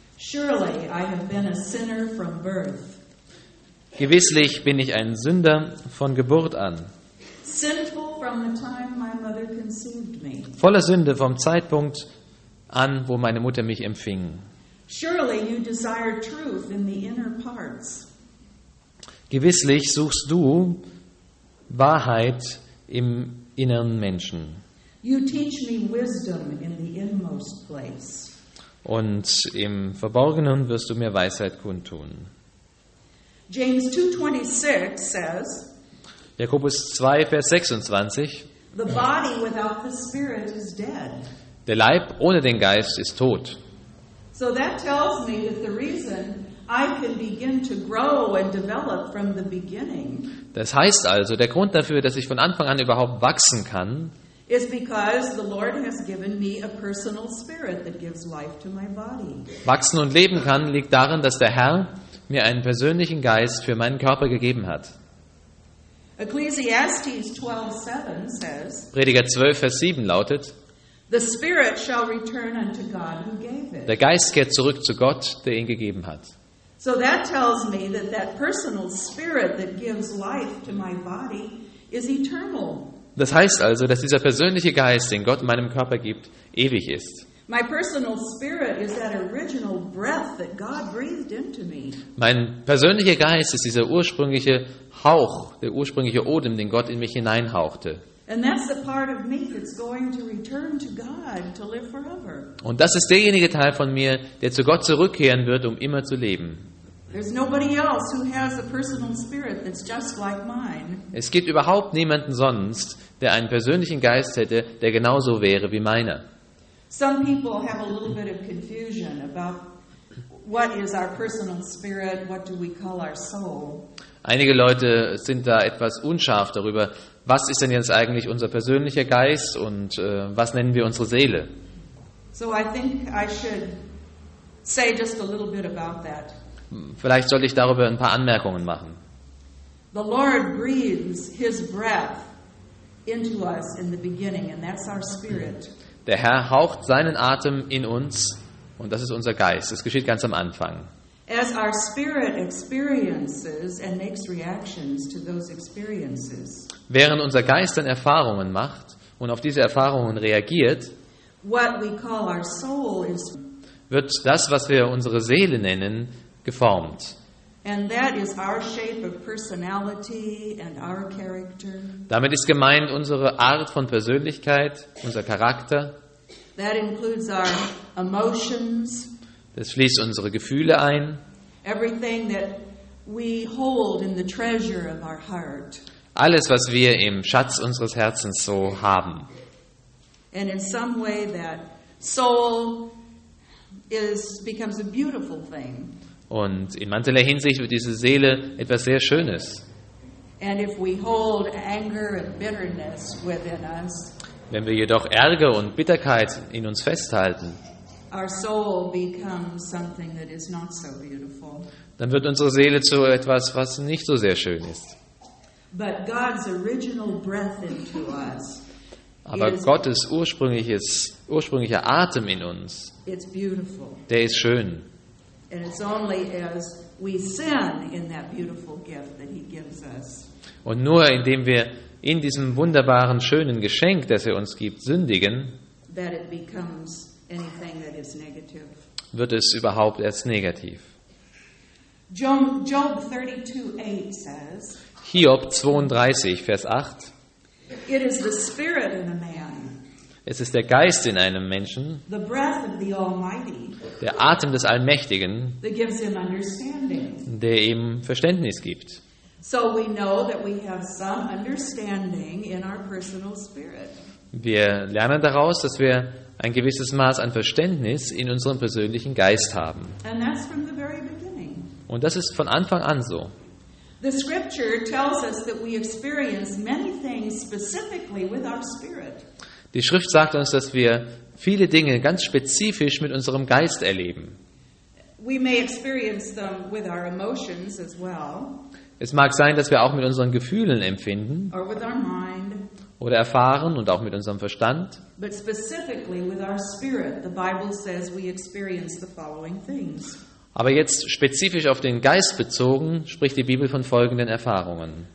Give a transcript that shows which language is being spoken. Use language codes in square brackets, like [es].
[en] Surely I have been a sinner from birth. [de] Gewisslich bin ich ein Sünder von Geburt an. [en] Sinful from the time my mother conceived me. [de] Voller Sünde vom Zeitpunkt an, wo meine Mutter mich empfing. [en] Surely you desire truth in the inner parts. [de] Gewisslich suchst du Wahrheit im inneren Menschen. [en] You teach me wisdom in the inmost place. [de] Und im Verborgenen wirst du mir Weisheit kundtun. [en] James 2:26 says, [de] Jakobus 2, Vers 26, [en] the body without the spirit is dead. [de] Der Leib ohne den Geist ist tot. [en] So that tells me that the reason I can begin to grow and develop from the beginning. [de] Das heißt also, der Grund dafür, dass ich von Anfang an überhaupt wachsen kann, [en] is because the Lord has given me a personal spirit that gives life to my body. [de] Wachsen und leben kann liegt darin, dass der Herr mir einen persönlichen Geist für meinen Körper gegeben hat. [en] Ecclesiastes 12:7 says, [de] Prediger 12, Vers 7 lautet, [en] the spirit shall return unto God who gave it. [de] Der Geist kehrt zurück zu Gott, der ihn gegeben hat. [en] So that tells me that that personal spirit that gives life to my body is eternal. [de] Das heißt also, dass dieser persönliche Geist, den Gott meinem Körper gibt, ewig ist. [en] My personal spirit is that original breath that God breathed into me. [de] Mein persönlicher Geist ist dieser ursprüngliche Hauch, der ursprüngliche Odem, den Gott in mich hineinhauchte. [en] And that's the part of me that's going to return to God to live forever. [de] Und das ist derjenige Teil von mir, der zu Gott zurückkehren wird, um immer zu leben. [en] There's nobody else who has a personal spirit that's just like mine. [de] Es gibt überhaupt niemanden sonst, der einen persönlichen Geist hätte, der genauso wäre wie meiner. [en] Some people have a little bit of confusion about what is our personal spirit, what do we call our soul? [de] Einige Leute sind da etwas unscharf darüber, was ist denn jetzt eigentlich unser persönlicher Geist und was nennen wir unsere Seele? [en] So I think I should say just a little bit about that. [de] Vielleicht sollte ich darüber ein paar Anmerkungen machen. [en] The Lord breathes his breath into us in the beginning, and that's our spirit. [de] Der Herr haucht seinen Atem in uns und das ist unser Geist. Das geschieht ganz am Anfang. [en] As our spirit experiences and makes reactions to those experiences. [de] Während unser Geist dann Erfahrungen macht und auf diese Erfahrungen reagiert, [en] what we call our soul is [de] wird das, was wir unsere Seele nennen, geformt. [en] And that is our shape of personality and our character. [de] Damit ist gemeint unsere Art von Persönlichkeit, unser Charakter. [en] That includes our emotions. [de] Das schließt unsere Gefühle ein. [en] Everything that we hold in the treasure of our heart. [de] Alles, was wir im Schatz unseres Herzens so haben. [en] And in some way that soul is becomes a beautiful thing. [de] Und in mancherlei Hinsicht wird diese Seele etwas sehr Schönes. [en] And if we hold anger and bitterness within us, [de] wenn wir jedoch Ärger und Bitterkeit in uns festhalten, [en] our soul becomes something that is not so beautiful. [de] Dann wird unsere Seele zu etwas, was nicht so sehr schön ist. [en] But God's original breath into us, [de] aber Gottes ursprünglicher Atem in uns, [en] it's beautiful. [de] Der ist schön. [en] And it's only as we sin in that beautiful gift that he gives us. [de] Und nur indem wir in diesem wunderbaren schönen Geschenk, das er uns gibt, sündigen, [en] that it becomes anything that is negative. [de] Wird es überhaupt erst negativ. [en] Job 32:8 says, [de] Hiob 32, Vers 8. [en] It is the spirit in a man. [de] Es ist der Geist in einem Menschen, [en] the breath of the Almighty, [de] der Atem des Allmächtigen, [en] that gives him understanding, [de] der ihm Verständnis gibt. [en] So we know that we have some understanding in our personal spirit. [de] Wir lernen daraus, dass wir ein gewisses Maß an Verständnis in unserem persönlichen Geist haben. [en] And that's from the very beginning. [de] Und das ist von Anfang an so. [en] The scripture tells us that we experience many things specifically with our spirit. [de] Die Schrift sagt uns, dass wir viele Dinge ganz spezifisch mit unserem Geist erleben. [en] We may experience them with our emotions as well. [de] Es mag sein, dass wir auch mit unseren Gefühlen empfinden [en] or with our mind, [de] oder erfahren und auch mit unserem Verstand. [en] But specifically with our spirit, the Bible says we experience the following things. [de] Aber jetzt spezifisch auf den Geist bezogen, spricht die Bibel von folgenden Erfahrungen.